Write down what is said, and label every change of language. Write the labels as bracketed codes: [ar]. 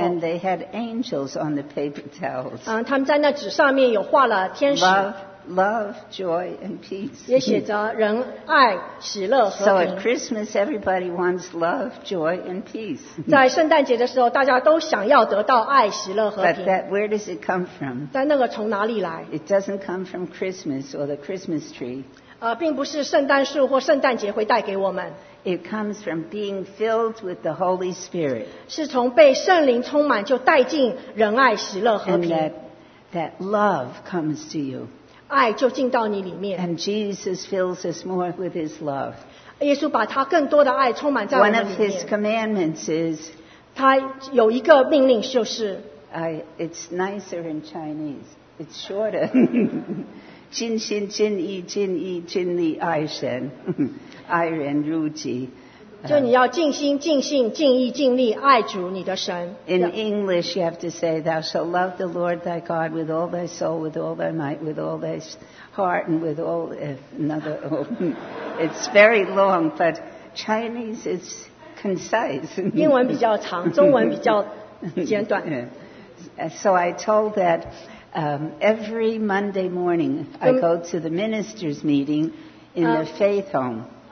[en] And they had angels on the paper towels. [zh] 他们在那纸上面有画了天使。 [en] Love, joy, and peace. [zh] 也写着仁爱、喜乐和平。 [en] So at Christmas, everybody wants love, joy, and peace. [zh] 在圣诞节的时候，大家都想要得到爱、喜乐和平。 [en] But that, where does it come from? [zh] 但那个从哪里来？ [en] It doesn't come from Christmas or the Christmas tree. [zh] 并不是圣诞树或圣诞节会带给我们。 [en] It comes from being filled with the Holy Spirit. [zh] 是从被圣灵充满就带进仁爱、喜乐和平。 [en] And that love comes to you. [zh] 爱就进到你里面。 [en] And Jesus fills us more with His love. [zh] 耶稣把他更多的爱充满在我们里面。 [en] One of His commandments is, [zh] 他有一个命令就是 [en] It's nicer in Chinese. It's shorter. [zh] 尽心尽意尽意尽力爱神，爱人如己。就你要尽心尽性尽意尽力爱主你的神。 [en] In English, you have to say, "Thou shalt love the Lord thy God with all thy soul, with all thy might, with all thy heart, and with all another." It's very long, but Chinese is concise. [zh] 英文比较长，中文比较简短。 [en] So I told that every Monday morning I go to the ministers' meeting in the faith home.